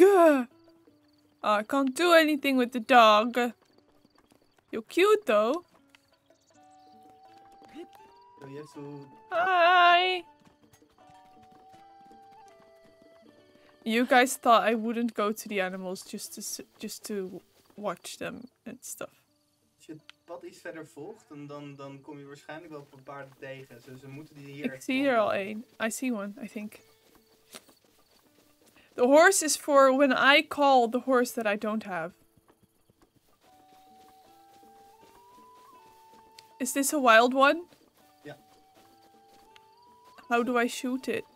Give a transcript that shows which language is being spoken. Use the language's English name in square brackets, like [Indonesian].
[English] Oh, I can't do anything with the dog. You're cute, though. Hi! You guys thought I wouldn't go to the animals just to watch them and stuff. [Dutch] Als je het pad iets verder volgt, dan kom je waarschijnlijk wel op een paard tegen. Dus ze moeten die hier. Ik zie er al één. [English] I see one, I think. The horse is for when I call the horse that I don't have. Is this a wild one? Yeah. How do I shoot it?